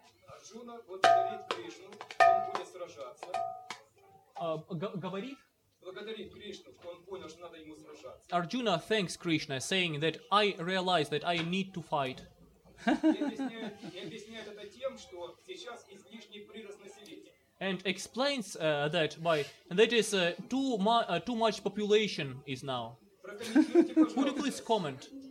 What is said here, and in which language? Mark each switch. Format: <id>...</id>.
<ru>Арджуна благодарит Кришну, он будет сражаться. Говорит? Благодарит Кришну, что он понял, что надо ему сражаться.</ru> <en>Арджуна thanks Krishna, saying that I realize that I need to fight.</en> <ru>Объясняет это тем, что сейчас излишний прирост населения.</ru> <en>And explains that by that is too much population is now. Would you please comment?</en>